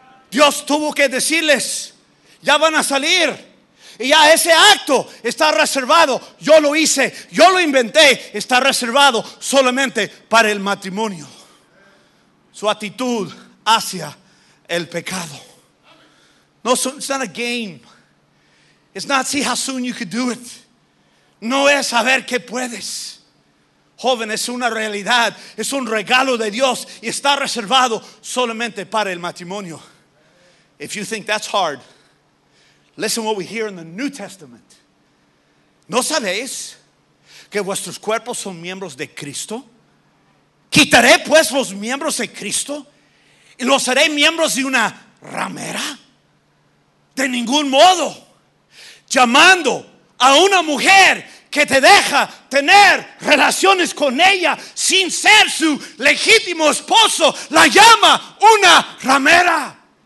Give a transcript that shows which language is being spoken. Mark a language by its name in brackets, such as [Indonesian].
[Spanish] Dios tuvo que decirles: ya van a salir y ya ese acto está reservado. Yo lo hice, yo lo inventé, está reservado solamente para el matrimonio. Su actitud hacia el pecado. [English] No, so it's not a game. It's not see how soon you could do it. [Spanish] No es saber que puedes. Joven, es una realidad. Es un regalo de Dios y está reservado solamente para el matrimonio. [English] If you think that's hard, listen what we hear in the New Testament. [Spanish] ¿No sabéis que vuestros cuerpos son miembros de Cristo? ¿Quitaré pues los miembros de Cristo y los haré miembros de una ramera? De ningún modo. Llamando a una mujer que te deja tener relaciones con ella sin ser su legítimo esposo, la llama una ramera.